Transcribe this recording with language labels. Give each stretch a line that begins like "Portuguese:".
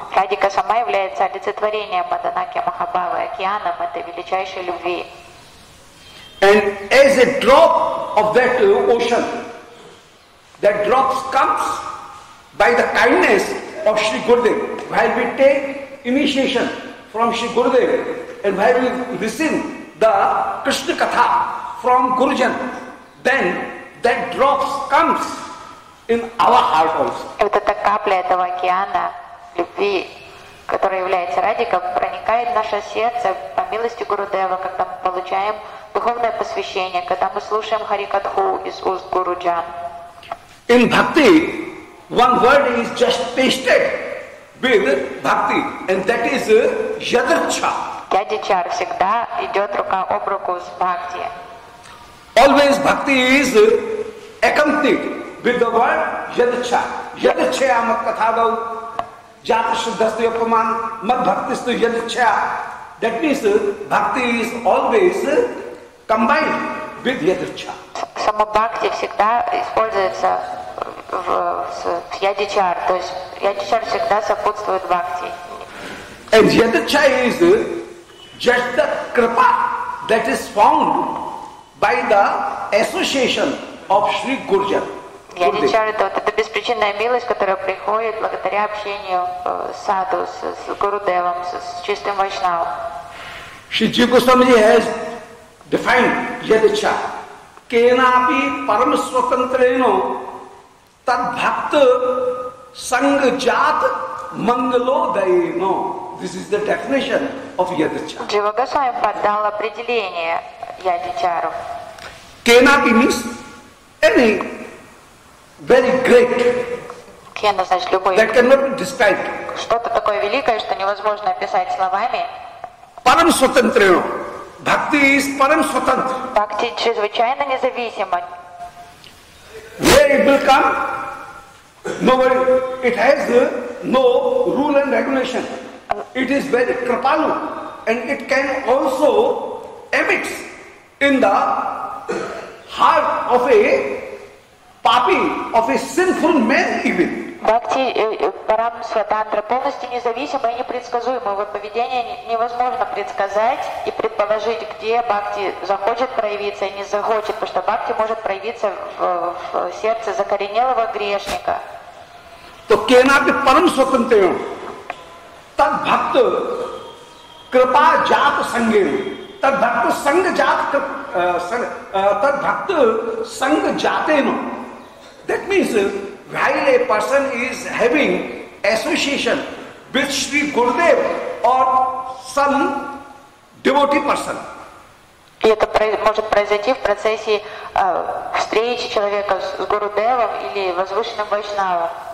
Russian: Радика сама является олицетворением Маданаки Махабавы, океаном этой величайшей любви.
English: And as a drop of that ocean, that drop comes by the kindness of Shri Gurudev. While we take initiation from Shri Gurudev and while we listen the Krishna Katha from Gurujan, then that drop comes in our heart also.
Russian: Вот эта капля этого океана любви, которая является радиком, проникает в наше сердце по милости Гурудева, когда мы получаем духовное посвящение, когда мы слушаем Харикатху из уст Гуруджан.
English: In bhakti, one word is just pasted with bhakti, and that is yadarcha.
Russian: Yadarchar всегда идет рука об руку с бхакти.
English: Always bhakti is accompanied with the word yadachha.
Sanskrit: Yadachhaya mat kathadav. Jata shuddhastu yapaman mat bhaktistu yadachhaya.
English: That means bhakti is always combined with yadachha.
Russian: Само бхакти всегда используется в ядичар, то есть ядичар всегда сопутствует бхакти.
English: And ядича is just the kripa that is formed by the association of Shri Gurjar.
Russian: Ядичар это беспричинная милость, которая приходит благодаря общению саду с Гурудевом, с чистым вайшнавом.
English: Shri Jiva Goswami has defined ядича.
Sanskrit: Кенапи парам сватантрено тад бхакта санг жат мангалодайно.
English: This is the definition of ядичар.
Russian: Джива Госвами подал определение ядичару.
English: Кенапи means any very great.
Russian: Кена значит любой.
English: That cannot be described.
Russian: Что-то такое великое, что невозможно описать словами.
Sanskrit: Парам сватантрено.
English: Bhakti is param svatantra.
Russian: Bhakti чрезвычайно независима.
English: Where it will come? Nobody. It has no rule and regulation. It is very kripalu. And it can also emit in the heart of a papi, of a sinful man even.
Sanskrit: Bhakti param svatantra
Russian: полностью независимо и непредсказуемо. Его поведение невозможно предсказать и предположить, где бхакти захочет проявиться и не захочет, потому что бхакти может проявиться в сердце закоренелого грешника.
Sanskrit: То кенапи парам сватантрено тад бхакта крипа жат сангена тад бхакта санга жат тад бхакта санга жатена.
English: That means while a person is having association with Shri Gurudev or some devotee person.
Russian: И это может произойти в процессе встречи человека с Гурудевом или возвышенным вайшнавом.